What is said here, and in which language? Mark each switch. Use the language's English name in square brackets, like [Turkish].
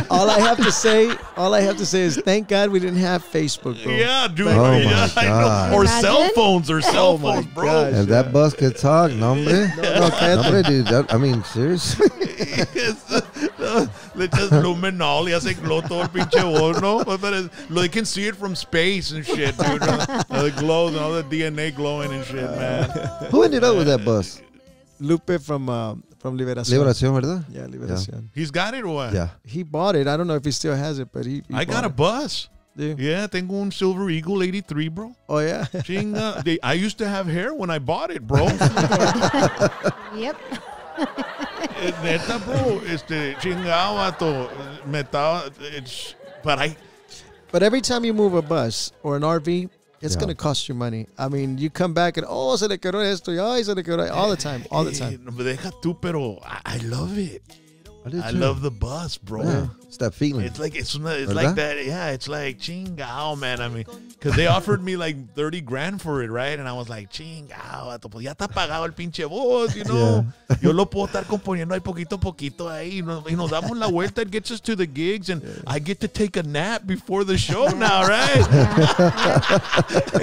[English] All I have to say is thank God we didn't have Facebook, bro. Yeah, dude. Oh, my God. Or cell phones, bro. If that bus could talk, nombre. No, dude. That, I mean, seriously. Yes. [Spanish] Le echas luminol y hace glow todo el pinche bono. [English] They can see it from space and shit, dude. The glow, all the DNA glowing and shit, man. Who ended up with that bus? Lupe from Liberacion. [Spanish] Liberacion, verdad? [English] Yeah, Liberacion. Yeah. He's got it or what? Yeah. He bought it. I don't know if he still has it, but he I got a bus. Dude. [Spanish] Yeah, tengo un Silver Eagle 83, bro. [English] Oh, yeah? [Spanish] Chinga. [English] I used to have hair when I bought it, bro. Yep. [Spanish] Neta, bro, chingado, but [English] every time you move a bus or an RV, it's going to cost you money. I mean, you come back and, oh, [Spanish] se le quedó esto, y ay, se le quedó, [English] all the time. [Spanish] Deja tú, pero [English] I love it. I love the bus, bro. Yeah. It's that feeling. It's like it's like that. Yeah, it's like chingao, man. I mean, because they offered me like $30,000 for it, right? And I was like, [Spanish] chingao, ya está pagado el pinche bus, [English] you know? Yeah. [Spanish] Yo lo puedo estar componiendo ahí poquito a poquito ahí. You know, damos la vuelta. [English] It gets us to the gigs, and I get to take a nap before the show now, right?